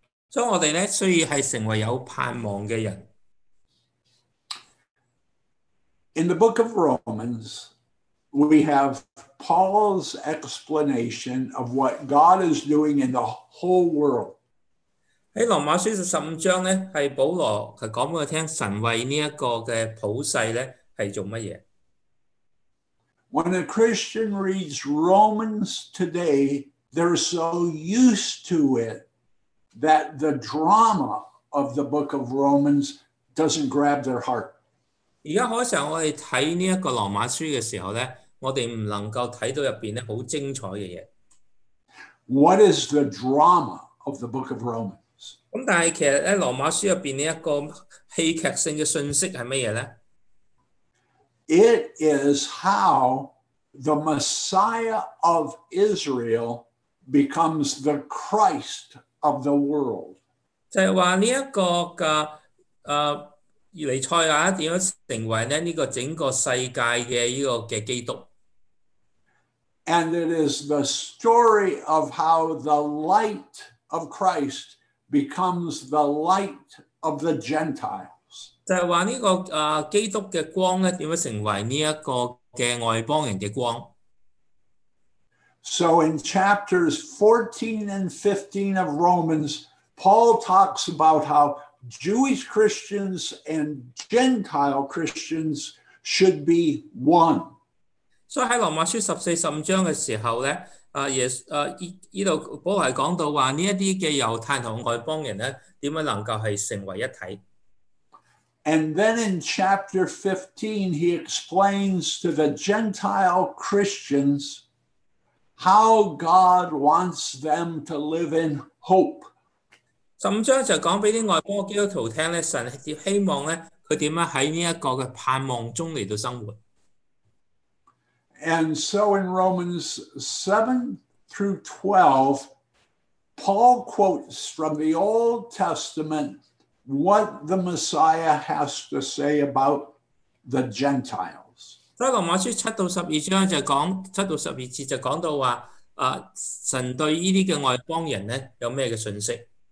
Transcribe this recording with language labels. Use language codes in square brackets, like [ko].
[yue] 所以我哋咧需要係成為有盼望嘅人。In [en] the book of Romans, we have Paul's explanation of what God is doing in the whole world. [yue] 喺羅馬書15章咧，係保羅係講俾我聽神為呢一個嘅普世咧係做乜嘢。 [en] When a Christian reads Romans today, they're so used to it that the drama of the book of Romans doesn't grab their heart. [yue] 而家好多時候我哋睇呢一個羅馬書嘅時候咧，我哋唔能夠睇到入邊咧好精彩嘅嘢。 [en] what is the drama of the book of Romans? [yue] 咁但系其实咧，罗马书入边呢一个戏剧性嘅信息系乜嘢咧？ [en] It is how the Messiah of Israel becomes the Christ of the world. [yue] 就系话呢一个嘅尼赛亚点样成为咧呢个整个世界嘅呢个嘅基督。 [en] And it is the story of how the light of Christ becomes the light of the Gentiles. [yue] 就系话呢个基督嘅光咧，点样成为呢一个嘅外邦人嘅光？ [en] So in chapters 14 and 15 of Romans, Paul talks about how Jewish Christians and Gentile Christians should be one. [yue] So 在罗马书十四、十五章的时候呢，呢度保罗讲到话呢一啲嘅犹太同外邦人咧，点样能够系成为一体 [en] ？And then in chapter 15, he explains to the Gentile Christians how God wants them to live in hope. [yue] 十五章就讲俾啲外邦基督徒听咧，神点希望咧，佢点样喺呢一个嘅盼望中嚟到生活。 [en] And so in Romans 7 through 12, Paul quotes from the Old Testament what the Messiah has to say about the Gentiles. [yue] So, Romans 7 to 12 神对呢啲外邦人咧有咩嘅信息？